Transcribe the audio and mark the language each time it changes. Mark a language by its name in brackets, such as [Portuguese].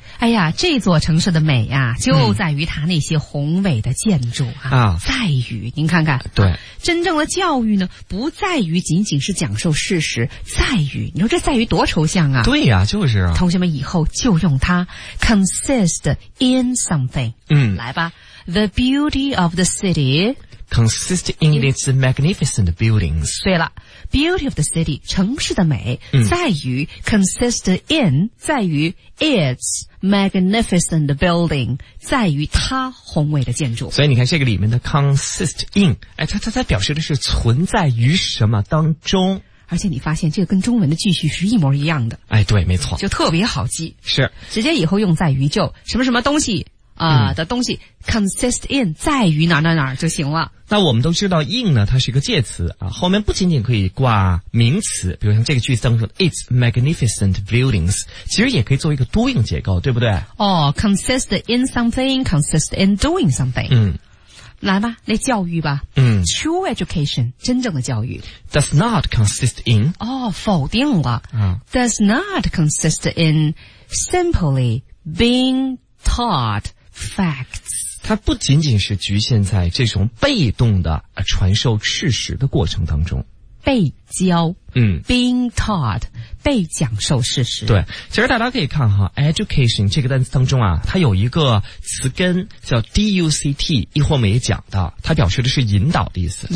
[Chinese] 哎呀，这座城市的美呀、啊，就在于它那些宏伟的建筑啊。在于您看看，对、啊，真正的教育呢，不在于仅仅是讲授事实，在于你说这在于多抽象啊？对呀、啊，就是啊。同学们以后就用它 [English] consist in something。嗯， [Chinese] 来吧 [English] ，the beauty of the city consist in its magnificent buildings. [Chinese] 对了 , [English] beauty of the city, [Chinese] 城市的美、在于 consist in, 在于 [English] its magnificent building, [Chinese] 在于它宏伟的建筑。所以你看这个里面的 consist in, 它表示的是存在于什么当中。而且你发现这个跟中文的句序是一模一样的。哎对没错。就特别好记。是。直接以后用在于就什么什么东西的东西 consist in, 在于哪哪哪就行了。那我们都知道 in 呢它是一个介词啊，后面不仅仅可以挂名词，比如像这个句子当中 , [English] its magnificent buildings, [Chinese] 其实也可以做一个 doing 结构对不对哦、 [English] consist in something, consist in doing something。嗯。 [Chinese] 来吧来教育吧。嗯。 [English] True education, [Chinese] 真正的教育。 [English] Does not consist in. [Chinese] 哦否定了。嗯。 [English] Does not consist in simply being taught facts. [Chinese] 它不仅仅是局限在这种被动的传授事实的过程当中。被教。嗯。 [English] being taught, [Chinese] 被讲授事实。对。其实大家可以看哈 ,education 这个单词当中啊它有一个词根叫 duct, 一会儿我们也讲到它表示的是引导的意思。